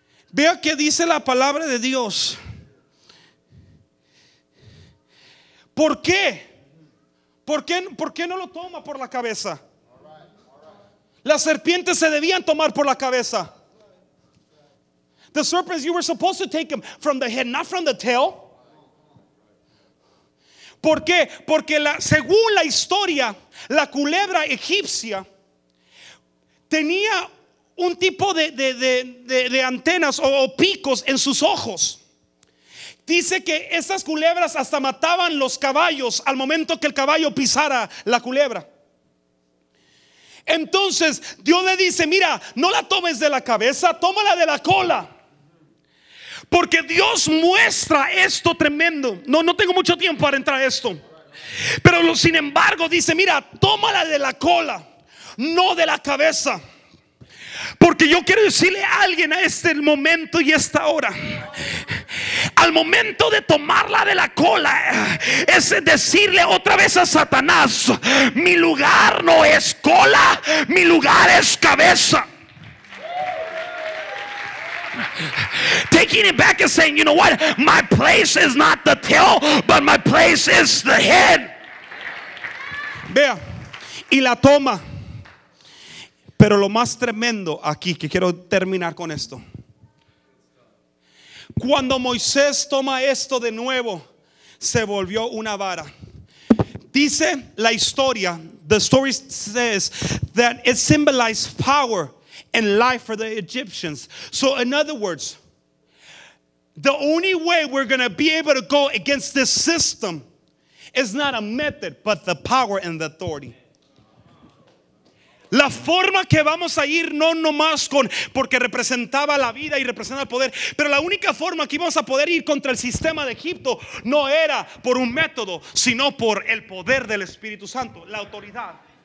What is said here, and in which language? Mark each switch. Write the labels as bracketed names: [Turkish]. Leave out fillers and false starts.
[Spanish] Vea que dice la palabra de Dios. ¿Por qué? ¿Por qué no lo toma por la cabeza? Las serpientes se debían tomar por la cabeza. [English] The serpents, you were supposed to take them from the head, not from the tail. [Spanish] ¿Por qué? Porque según la historia, la culebra egipcia tenía un tipo de antenas o picos en sus ojos. Dice que esas culebras hasta mataban los caballos al momento que el caballo pisara la culebra. Entonces Dios le dice, mira, no la tomes de la cabeza, tómala de la cola. Porque Dios muestra esto tremendo. No tengo mucho tiempo para entrar a esto. Pero sin embargo dice, mira, tómala de la cola, no de la cabeza. Porque yo quiero decirle a alguien a este momento y esta hora, al momento de tomarla de la cola, es decirle otra vez a Satanás, mi lugar no es cola, mi lugar es cabeza. [English] Taking it back and saying, you know what, my place is not the tail, but my place is the head. [Spanish] Vea, y la toma. Pero lo más tremendo aquí, que quiero terminar con esto. Cuando Moisés toma esto de nuevo, se volvió una vara. Dice la historia, [English] the story says that it symbolized power and life for the Egyptians. So in other words, the only way we're going to be able to go against this system It's not a method, but the power and the authority. [Spanish] La forma que vamos a ir, no nomás con, porque representaba la vida y representaba el poder, pero la única forma que íbamos a poder ir contra el sistema de Egipto no era por un método, sino por el poder del Espíritu Santo, la autoridad.